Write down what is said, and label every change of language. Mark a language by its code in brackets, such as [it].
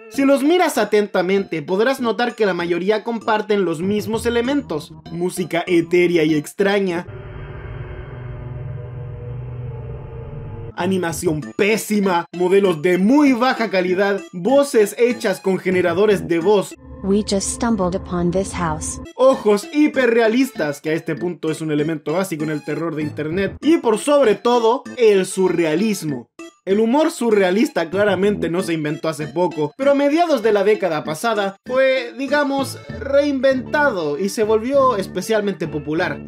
[es] Si los miras atentamente, podrás notar que la mayoría comparten los mismos elementos: música etérea y extraña, animación pésima, modelos de muy baja calidad, voces hechas con generadores de voz. [en] We just stumbled upon this house. [es] Ojos hiperrealistas, que a este punto es un elemento básico en el terror de internet, y por sobre todo, el surrealismo. El humor surrealista claramente no se inventó hace poco, pero a mediados de la década pasada fue, digamos, reinventado y se volvió especialmente popular.